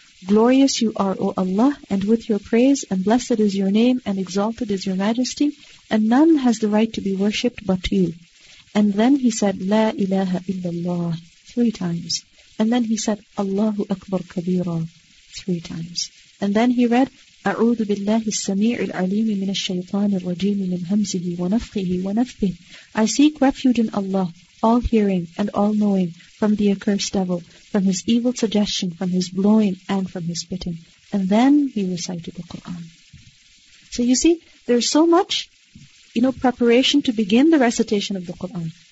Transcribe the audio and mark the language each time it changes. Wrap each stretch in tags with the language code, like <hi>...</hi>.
<en>Glorious you are, O Allah, and with your praise, and blessed is your name, and exalted is your majesty, and none has the right to be worshipped but you. And then he said,</en> <ar>La ilaha illallah,</ar> <en>3 times. And then he said,</en> <ar>Allahu Akbar Kabira,</ar> <en>3 times. And then he read,</en> <ar>أعوذ بالله السميع العليم من الشيطان الرجيم من همزه ونفخه ونفثه.</ar> <en>I seek refuge in Allah, all hearing and all knowing, from the accursed devil, from his evil suggestion, from his blowing and from his spitting. And then he recited the Quran. So you see, there's so much, you know, preparation to begin the recitation of the Quran.</en>